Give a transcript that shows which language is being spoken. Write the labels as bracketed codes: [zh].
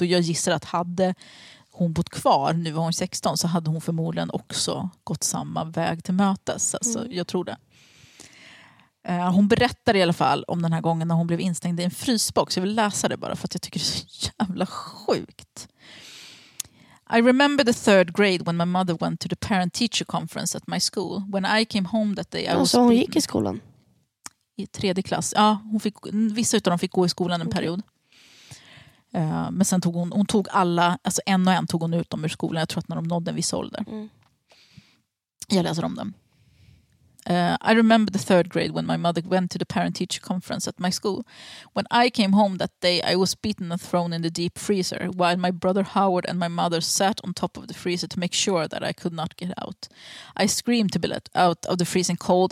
[sv] Och jag gissar att hade hon bott kvar, nu var hon 16, så hade hon förmodligen också gått samma väg till mötes. Alltså, jag tror det. Hon berättar i alla fall om den här gången när hon blev instängd i en frysbox. Jag vill läsa det bara för att jag tycker det är så jävla sjukt. [en] I remember the third grade when my mother went to the parent-teacher conference at my school. When I came home that day I was... [sv] Så hon gick i skolan? I tredje klass. Ja, hon fick, vissa av dem fick gå i skolan en period. Men sen tog hon tog alla, alltså en och en tog hon ut dem ur skolan. Jag tror att när de nådde en viss ålder. Mm. Jag läser om dem. [en] I remember the third grade when my mother went to the parent-teacher conference at my school. When I came home that day I was beaten and thrown in the deep freezer while my brother Howard and my mother sat on top of the freezer to make sure that I could not get out. I screamed to be let out of the freezing cold.